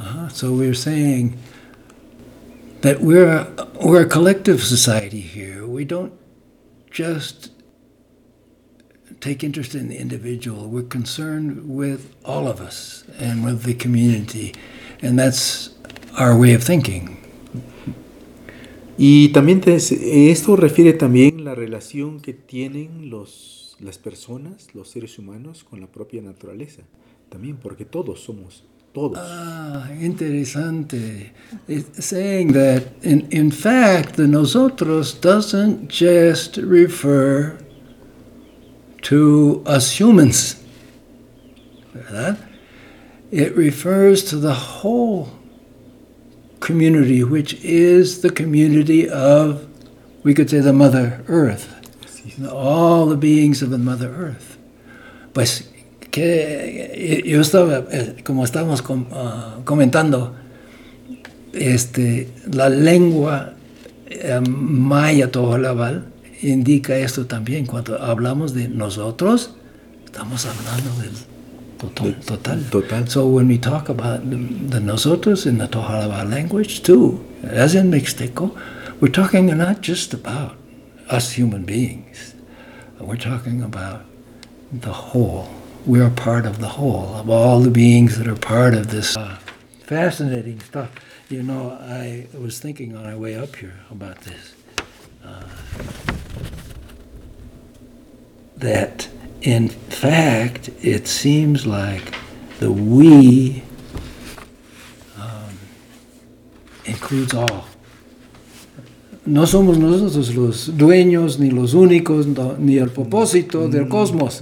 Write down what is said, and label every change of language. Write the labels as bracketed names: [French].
[English] So we're saying that we're a collective society here. We don't just take interest in the individual. We're concerned with all of us and with the community. And that's our way of thinking. [Spanish] Y también esto refiere también la relación que tienen las personas, los seres humanos, con la propia naturaleza, también, porque todos somos todos. Ah, interesante. [English] It's saying that in fact, the nosotros doesn't just refer to us humans. [Spanish] ¿Verdad? [English] It refers to the whole community, which is the community of, we could say, the Mother Earth, all the beings of the Mother Earth. [Spanish] Pues, que yo estaba, como estamos comentando, la lengua maya Tohono O'odham indica esto también. Cuando hablamos de nosotros, estamos hablando del total. Total. [English] So when we talk about the nosotros in the Tohono language too, as in Mixteco, we're talking not just about us human beings. We're talking about the whole. We are part of the whole, of all the beings that are part of this. Fascinating stuff. You know, I was thinking on our way up here about this, that in fact, it seems like the we includes all. [Spanish] No somos nosotros los dueños, ni los únicos, no, ni el propósito del cosmos.